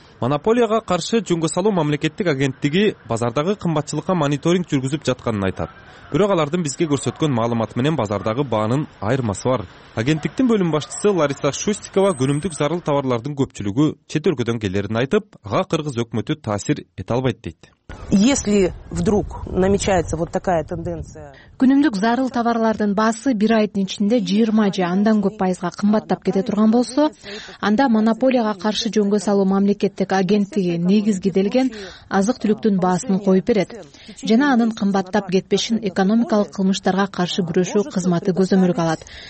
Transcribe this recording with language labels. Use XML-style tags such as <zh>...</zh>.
<ky>Монополияга каршы жөнгө салуу мамлекеттик агенттиги базардагы кымбатчылыкка мониторинг жүргүзүп жатканын айтат. Бирок алардын бизге көрсөткөн маалыматы менен базардагы баанын айырмасы бар. Агенттиктин бөлүм башчысы Лариса Шустикова күнүмдүк зарыл товарлардын көпчүлүгү чет өлкөдөн келерин айтып, ага кыргыз өкмөтү таасир эте албайт дейт.</ky> <ru>Если вдруг намечается вот такая тенденция.</ru> <ky>Күнүмдүк зарыл товарлардын баасы бир айдын ичинде 20 же андан көп пайызга кымбаттап кете турган болсо, анда монополияга каршы жөнгө салуу мамлекеттик агенттиги негизделген азык-түлүктүн баасын коюп берет. Жана анын кымбаттап кетпешин экономикалык кылмыштарга каршы күрөшүү кызматы көзөмөлгө алат.</ky>